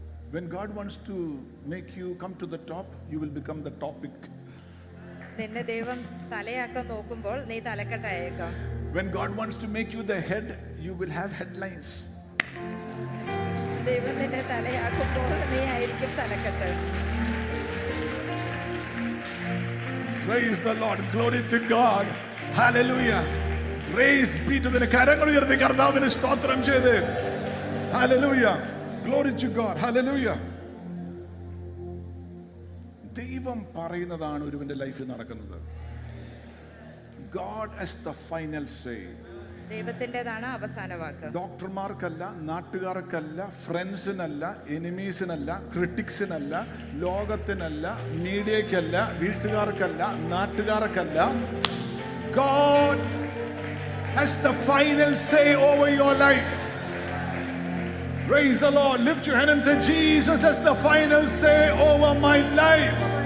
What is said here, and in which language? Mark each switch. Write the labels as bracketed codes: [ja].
[en] When God wants to make you come to the top, you will become the topic. [ml] നിന്നെ ദൈവം തലയാക്കാൻ നോക്കുമ്പോൾ നീ തലക്കെട്ടായേക്കാം. [en] When God wants to make you the head, you will have headlines. [ml] ദൈവം നിന്നെ തലയാക്കുമ്പോൾ നീ ആയിരിക്കും തലക്കെട്ട്. [en] Praise the Lord. Glory to God. Hallelujah. Praise be to the [ml] കരങ്ങൾ ഉയർത്തി കർത്താവിന് സ്തോത്രം ചെയ്ത്. [en] Hallelujah. Glory to God. Hallelujah. [ml] ദൈവം പറയുന്നതാണ് ഒരുവന്റെ ലൈഫിൽ നടക്കുന്നത്. [en] God has the final say. [ml] ദൈവത്തിന്റേതാണ് അവസാന വാക്ക്. ഡോക്ടർമാർക്കല്ല, നാട്ടുകാർക്കല്ല, ഫ്രണ്ട്സിനല്ല, എനിമീസിനല്ല, ക്രിട്ടിക്സിനല്ല, ലോകത്തിനല്ല, മീഡിയക്കല്ല, വീട്ടുകാർക്കല്ല, നാട്ടുകാർക്കല്ല. [en] God has the final say over your life. Praise the Lord. Lift your hand and say, Jesus has the final say over my life.